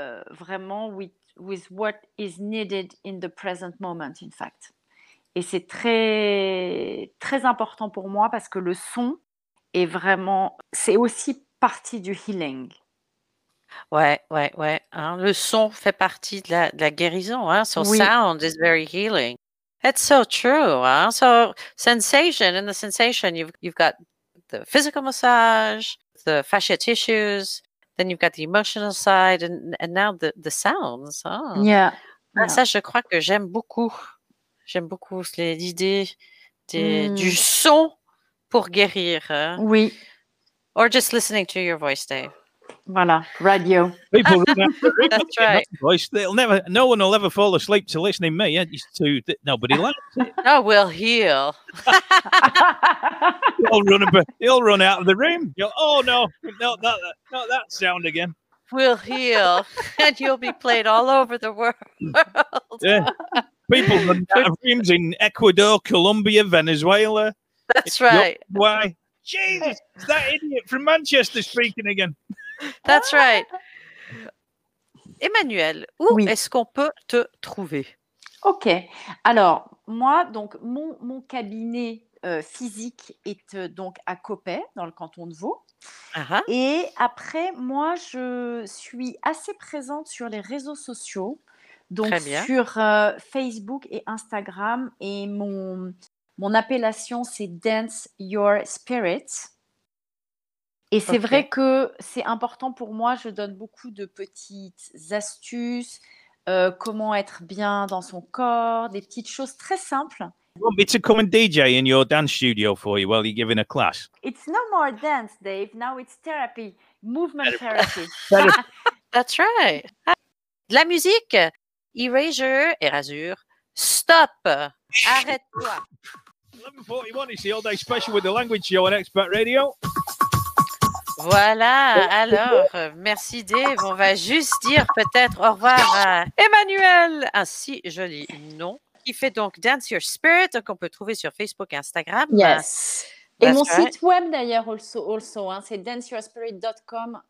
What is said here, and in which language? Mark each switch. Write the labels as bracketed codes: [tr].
[en] Vraiment, with what is needed in the present moment, in fact. [fr] Et c'est très, très important pour moi parce que le son est vraiment, c'est aussi partie du healing. Ouais. Hein, le son fait partie de la guérison. [en] Hein. So sound is very healing. It's so true. Hein. So sensation, in the sensation, you've got the physical massage, the fascia tissues, then you've got the emotional side and now the sounds. Hein. Yeah. [fr] Ça, je crois que j'aime beaucoup. J'aime beaucoup l'idée du son pour guérir. Hein? Oui. [en] Or just listening to your voice, Dave. [fr] Voilà, radio. [en] People, that's right. Voice. No one will ever fall asleep to listening to me. Nobody likes it. No, we'll heal. He'll run out of the room. Not that sound again. We'll heal, and you'll be played all over the world. Yeah. People have rooms in Ecuador, Colombia, Venezuela. That's right. Why? Jesus, is that idiot from Manchester speaking again? That's right. [fr] Emmanuelle, où est-ce qu'on peut te trouver? Ok. Alors, moi, donc, mon cabinet physique est donc à Copé, dans le canton de Vaud. Et après, moi, je suis assez présente sur les réseaux sociaux, donc sur Facebook et Instagram. Et mon appellation, c'est Dance Your Spirit. Et c'est vrai que c'est important pour moi. Je donne beaucoup de petites astuces, comment être bien dans son corps, des petites choses très simples. [en] You want me to come and DJ in your dance studio for you while you're giving a class? It's no more dance, Dave. Now it's therapy. Movement therapy. That's right. [fr] La musique. [en] Erasure. Erasure. Stop. [fr] Arrête-toi. [en] 11:41, it's the All Day Special with the Language Show on Expert Radio. [fr] Voilà. Alors, merci Dave. On va juste dire peut-être au revoir à Emmanuelle. Un si joli nom. Qui fait donc Dance Your Spirit, qu'on peut trouver sur Facebook et Instagram. [en] Yes. [fr] Et mon site web d'ailleurs, also hein, c'est danceyourspirit.com.